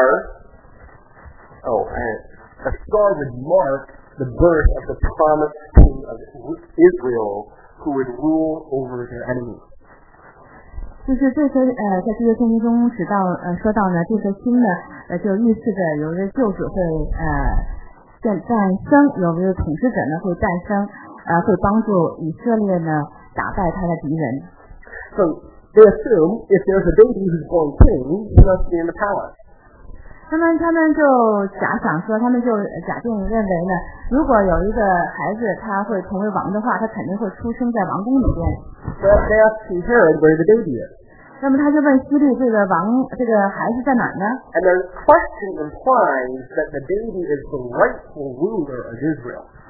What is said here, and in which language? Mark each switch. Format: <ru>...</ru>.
<en>A star would mark the birth of the promised king of Israel who would rule over their enemies.</en> <zh>就是这些在这个圣经中提到说到呢，这颗星呢，就预示着有一个救主会诞生，有一个统治者呢会诞生，会帮助以色列呢打败他的敌人。</zh> <en>So they assume if there's a baby who's born king, he must be in the palace.</en> <zh>他们就假想说，他们就假定认为呢，如果有一个孩子他会成为王的话，他肯定会出生在王宫里边。</zh> <en>So they ask King Herod where the baby is.</en> <zh>那么他就问希律这个孩子在哪呢？</zh> <en>And their question implies that the baby is the rightful ruler of Israel.</en>